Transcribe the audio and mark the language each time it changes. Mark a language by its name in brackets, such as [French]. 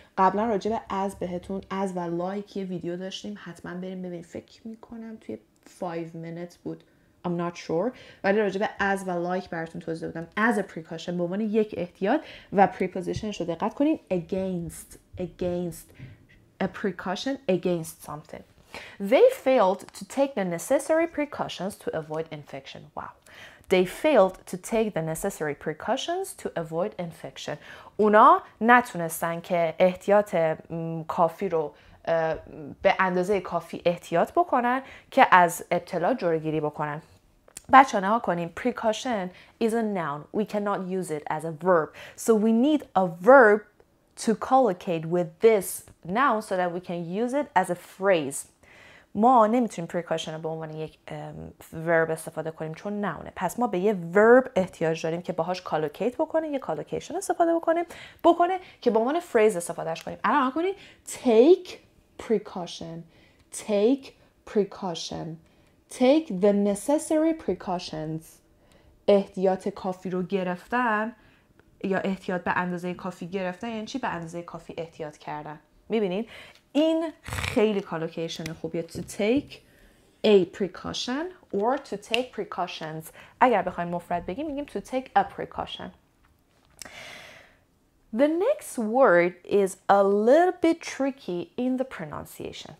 [Persian] قبلا راجع به as بهتون as و like یه ویدیو داشتیم. حتما بریم ببینیم. فکر میکنم توی [English] 5 minutes بود. I'm not sure. [Persian] ولی راجع به as و like براتون توضیح دادم. [English] As a precaution [Persian] به عنوان یک احتیاط و prepositionش رو دقت کنین. [English] Against. Against. A precaution against something. They failed to take the necessary precautions to avoid infection. Wow. They failed to take the necessary precautions to avoid infection. [Persian] اونا نتونستن که احتیاط کافی رو به اندازه کافی احتیاط بکنن که از ابتلا جلوگیری بکنن. بچه ها نها کنیم. [English] Precaution is a noun. We cannot use it as a verb. So we need a verb to collocate with this noun so that we can use it as a phrase. [Persian] ما نمیتونیم precaution رو به عنوان یک verb استفاده کنیم چون نونه. پس ما به یه verb احتیاج داریم که باهاش collocate بکنه، یه collocation استفاده بکنه که به عنوان phrase استفادهش کنیم. الان نها کنیم. [English] Take precaution. Take precaution. Take the necessary precautions. [Persian] احتیاط کافی رو گرفتن یا احتیاط به اندازه کافی گرفتن یعنی چی؟ به اندازه کافی احتیاط کردن. میبینین؟ این خیلی کالوکیشن خوبیه. [English] To take a precaution or to take precautions. [Persian] اگر بخوایم مفرد بگیم میگیم [English] to take a precaution. The next word is a little bit tricky in the pronunciation.